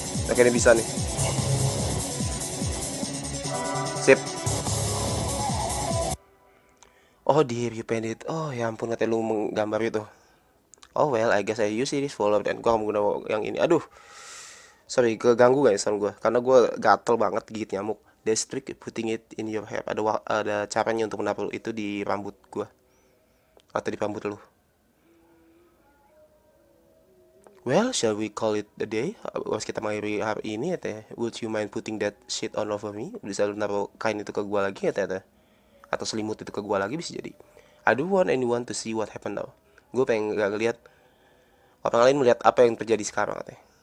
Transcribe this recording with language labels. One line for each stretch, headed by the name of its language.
Indonesian: Oke, ini bisa nih. Sip.
English: Oh dear, you painted.
Indonesian: Oh ya ampun, katanya lu menggambar itu.
English: Oh well, I guess I use this follow-up.
Indonesian: Dan gue gak menggunakan yang ini. Aduh, sorry, keganggu gak ya sama gue. Karena gue gatel banget gigit nyamuk.
English: There's trick putting it in your hair.
Indonesian: Ada caranya untuk menaruh itu di rambut gue atau di rambut lu.
English: Well, shall we call it a day?
Indonesian: Was kita mengakhiri hari ini ya teh.
English: Would you mind putting that shit on over me?
Indonesian: Bisa lu naruh kain itu ke gua lagi ya teh. Atau selimut itu ke gua lagi bisa jadi.
English: I don't want anyone to see what happened now.
Indonesian: Gua pengen gak ngeliat orang lain melihat apa yang terjadi sekarang teh.